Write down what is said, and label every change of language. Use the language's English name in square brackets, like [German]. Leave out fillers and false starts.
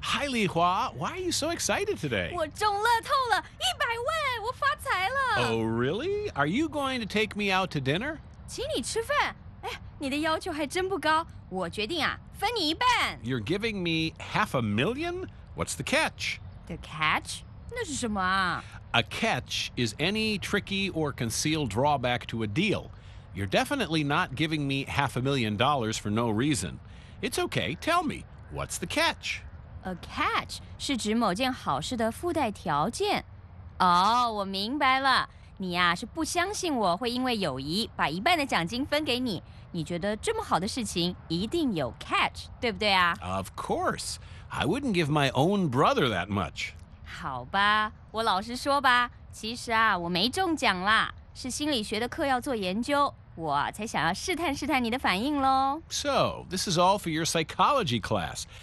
[English] Hi, 李华 Why are you so excited today? [Chinese] 我中乐透了100万，我发财了。 [English] Oh, really? Are you going to take me out to dinner? [Chinese] 请你吃饭。哎，你的要求还真不高，我决定啊，分你一半。 [English] You're giving me $500,000? What's the catch? [Chinese] The catch? 那是什么啊? [English] A catch is any tricky or concealed drawback to a deal. You're definitely not giving me $500,000 for no reason. It's okay, tell me, what's the catch? [Chinese] A catch 是指某件好事的附带条件。 Oh, 我明白了。你啊，是不相信我会因为友谊把一半的奖金分给你。你觉得这么好的事情一定有 catch, 对不对啊? [English] Of course. I wouldn't give my own brother that much. [Chinese] 好吧，我老实说吧，其实啊，我没中奖啦，是心理学的课要做研究，我才想要试探试探你的反应咯。 [English] So, this is all for your psychology class.